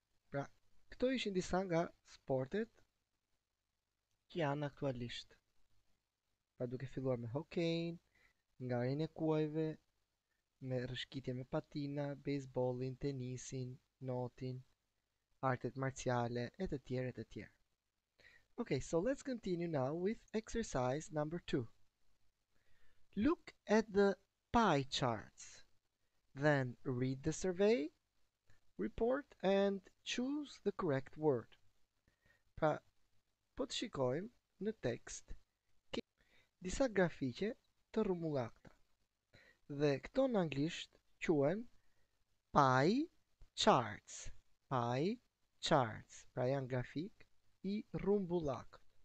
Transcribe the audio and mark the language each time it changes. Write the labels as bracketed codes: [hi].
[sq] Pra, këto ishin disa nga sportet që janë aktualisht. Pra duke filluar me hokejin, ngarjen e kuajve, me rrëshqitje me patina, baseballin, tenisin, notin, artet marciale, e të tjerë, e të tjerë. [en] Okay, so let's continue now with exercise number 2. Look at the pie charts. Then read the survey, report and choose the correct word. [sq] Pra, po të shikojmë në tekst disa grafike të rrumullakta. Dhe këto në anglisht quhen pie charts. Pie charts. Pra janë grafik I rrumbullak.